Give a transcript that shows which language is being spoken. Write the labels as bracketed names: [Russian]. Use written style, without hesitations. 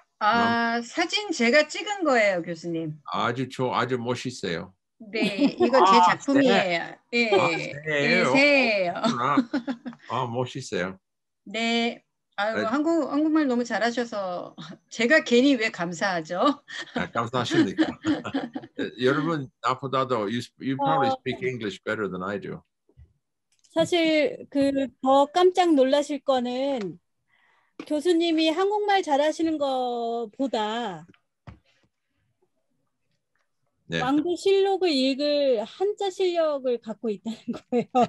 [Korean] 아 사진 제가 찍은 거예요, 교수님. 아주 좋 아주 멋있어요. 네, 이거 제 작품이에요. 네, 새예요. 아 멋있어요. 네, 아유 한국말 너무 잘하셔서 제가 괜히 왜 감사하죠? 아, 감사하십니까? 여러분 나보다도 [English] you probably speak English better than I do. [Korean] 사실 그 더 깜짝 놀라실 거는 교수님이 한국말 잘하시는 것보다 네. 왕도 실록을 읽을 한자 실력을 갖고 있다는 거예요.